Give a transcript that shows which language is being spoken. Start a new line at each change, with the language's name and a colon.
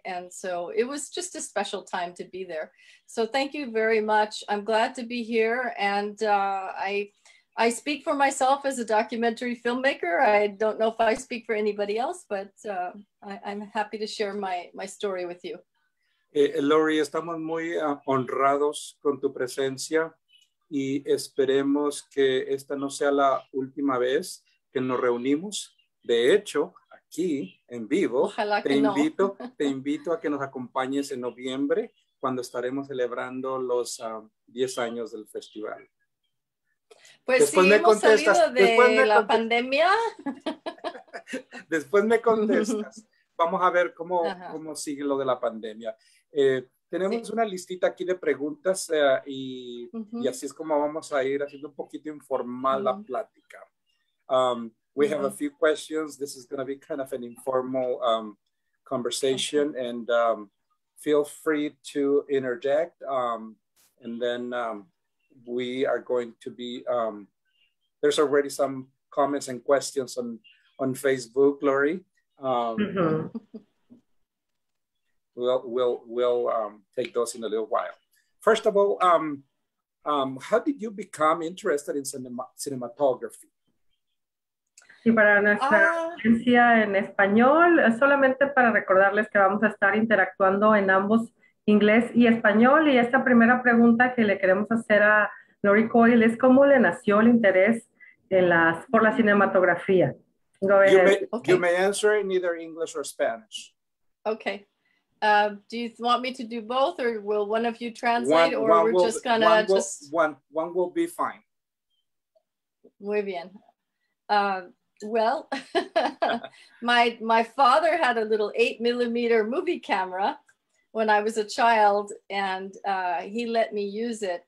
English: And so it was just a special time to be there. So thank you very much. I'm glad to be here. And I speak for myself as a documentary filmmaker. I don't know if I speak for anybody else, but I'm happy to share my story with you.
Spanish: Laurie, estamos muy honrados con tu presencia. Y esperemos que esta no sea la última vez que nos reunimos. De hecho, aquí en vivo, te invito a que nos acompañes en noviembre cuando estaremos celebrando los 10 años del festival. Pues después sí, me hemos contestas. Salido de después me la contestas. Pandemia. Después me contestas. Vamos a ver cómo sigue lo de la pandemia. Tenemos sí. Una listita aquí de preguntas y así es como vamos a ir haciendo un poquito informal la plática.
English: We have a few questions. This is going to be kind of an informal conversation. Okay. And feel free to interject. And then we are going to be, there's already some comments and questions on Facebook, Laurie. We'll take those in a little while. First of all, how did you become interested in cinematography?
Spanish: Sí, para nuestra audiencia en español, solamente para recordarles que vamos a estar interactuando en ambos inglés y español. Y esta primera pregunta que le queremos hacer a Laurie Coyle es cómo le nació el interés en las por la cinematografía.
English: Go ahead. You may answer in either English or Spanish. Okay. Do you want me to do both, or will one of you translate, One will be fine.
Spanish: Muy bien.
English: Well, my father had a little 8mm movie camera when I was a child, and he let me use it.